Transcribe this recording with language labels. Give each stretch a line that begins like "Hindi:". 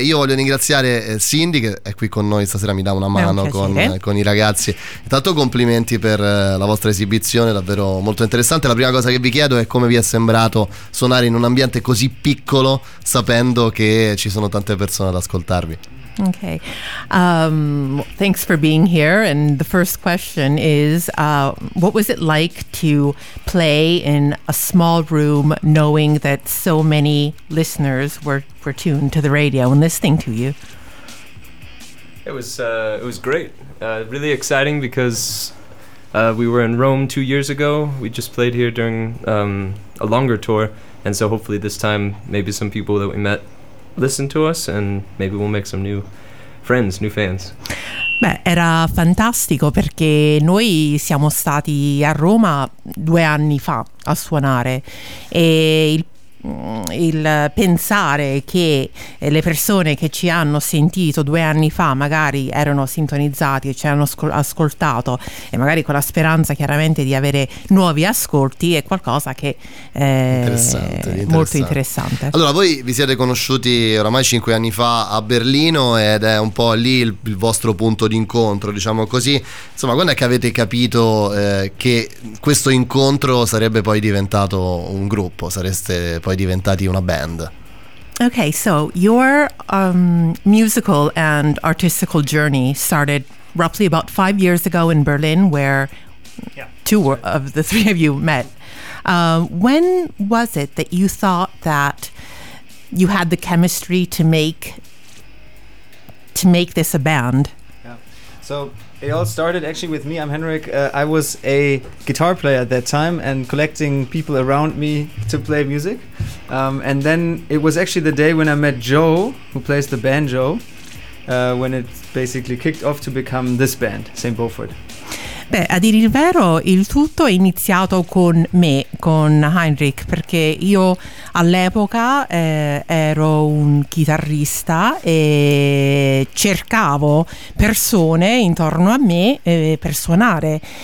Italian: Io voglio ringraziare Cindy che è qui con noi stasera, mi dà una mano con i ragazzi. Intanto complimenti per la vostra esibizione, davvero molto interessante. La prima cosa che vi chiedo è come vi è sembrato suonare in un ambiente così piccolo, sapendo che ci sono tante persone ad ascoltarvi.
English: Okay. Thanks for being here. And the first question is, what was it like to play in a small room knowing that so many listeners were tuned to the radio and listening to you? It was great. Really exciting because we were in Rome 2 years ago. We just played here during a longer tour. And so hopefully this time, maybe some people that we met listen to us and maybe we'll make some new friends, new fans.
Italian: Beh, era fantastico perché noi siamo stati a Roma 2 anni fa a suonare e il pensare che le persone che ci hanno sentito 2 anni fa magari erano sintonizzati e ci hanno ascoltato e magari con la speranza chiaramente di avere nuovi ascolti è qualcosa che è interessante. Molto interessante. Allora, voi vi siete conosciuti oramai 5 anni fa a Berlino ed è un po' lì il vostro punto d'incontro, diciamo così. Insomma, quando è che avete capito che questo incontro sarebbe poi diventato un gruppo, sareste poi diventati una band?
English: Okay, so your musical and artistical journey started roughly about 5 years ago in Berlin, where two of the three of you met. When was it that you thought that you had the chemistry to make this a band? So it all started actually with me. I'm Henrik. I was a guitar player at that time and collecting people around me to play music. And then it was actually the day when I met Joe, who plays the banjo, when it basically kicked off to become this band, Saint Beaufort.
Italian: Beh, a dire il vero, il tutto è iniziato con me, con Heinrich, perché io all'epoca ero un chitarrista e cercavo persone intorno a me per suonare.